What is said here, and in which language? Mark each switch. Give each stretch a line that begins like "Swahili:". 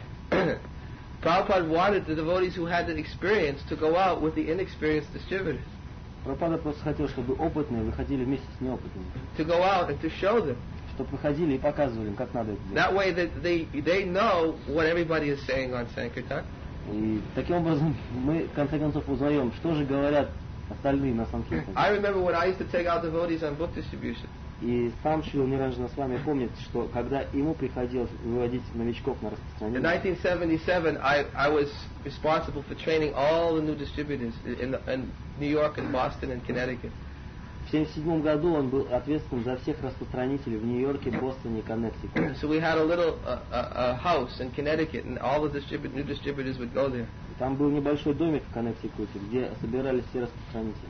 English: Prabhupada wanted the devotees who had the experience to go out with the inexperienced distributors.
Russian: Прабхупада просто хотел, чтобы опытные выходили вместе с неопытными.
English: To go out and to show them.
Russian: Чтобы выходили и показывали им, как надо это делать.
English: That way they know what everybody is saying on Sankirtan.
Russian: И таким образом мы, в конце концов, узнаем, что же говорят остальные на Санкиртане.
English: I remember when I used to take out devotees on book distribution.
Russian: И сам Шрила Ниранджана с вами помнит, что когда ему приходилось выводить новичков на распространение.
English: In 1977 I was responsible for training all the new distributors in New York and Boston and Connecticut.
Russian: 1977 году он был ответственен за всех распространителей в Нью-Йорке, Бостоне и Коннектикуте.
English: So we had a little house in Connecticut, and all the new distributors would go there.
Russian: Там был небольшой домик в Коннектикуте, где собирались все распространители.